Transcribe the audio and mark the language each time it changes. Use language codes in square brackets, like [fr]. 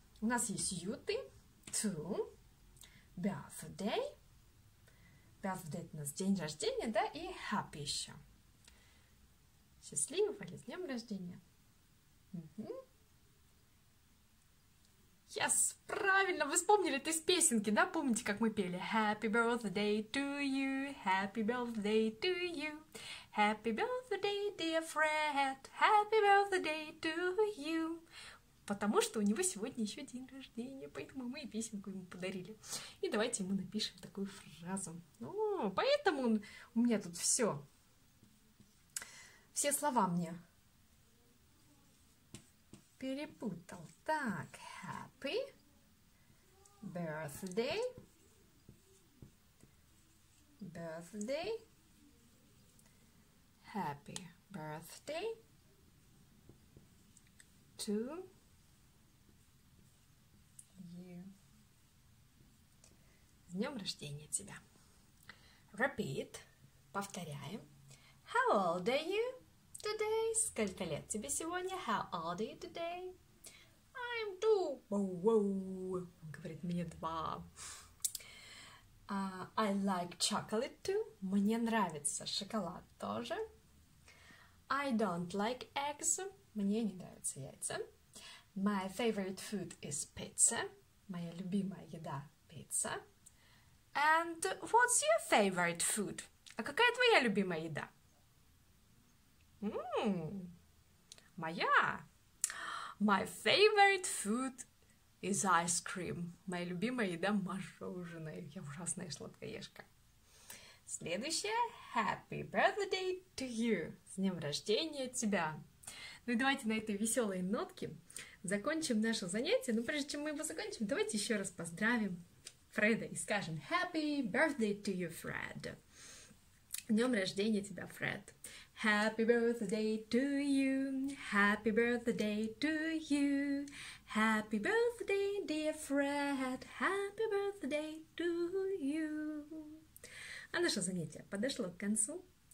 [ru] У нас есть you, ты, to, birthday. Birthday — это у нас день рождения, да, и happy еще. Счастливого или с днем рождения. [en] Yes, [ru] правильно, вы вспомнили это из песенки, да, помните, как мы пели? [en] Happy birthday to you, happy birthday to you. Happy birthday, dear Fred, happy birthday to you. [ru] Потому что у него сегодня еще день рождения, поэтому мы и песенку ему подарили. И давайте ему напишем такую фразу. О, поэтому он, у меня тут все. Все слова мне перепутал. Так, [en] happy birthday, birthday. Happy birthday to you. [ru] С днем рождения тебя. [en] Repeat. [ru] Повторяем. [en] How old are you today? [ru] Сколько лет тебе сегодня? [en] How old are you today? I'm two. Wow. [ru] Он говорит, мне два. [en] I like chocolate too. [ru] Мне нравится шоколад тоже. [en] I don't like eggs. [ru] Мне не нравятся яйца. [en] My favorite food is pizza. [ru] Моя любимая еда — пицца. [en] And what's your favorite food? [ru] А какая твоя любимая еда? Моя. [en] My favorite food is ice cream. [ru] Моя любимая еда – мороженое. Я ужасная сладкоежка. Следующее [en] – happy birthday to you. [ru] С днем рождения тебя. Ну и давайте на этой веселой нотке закончим наше занятие. Но прежде чем мы его закончим, давайте еще раз поздравим Фреда и скажем [en] happy birthday to you, Fred. [ru] Днем рождения тебя, Фред. [en] Happy birthday to you, happy birthday to you, happy birthday, dear Fred, happy birthday to you. [ru] А наше занятие подошло к концу.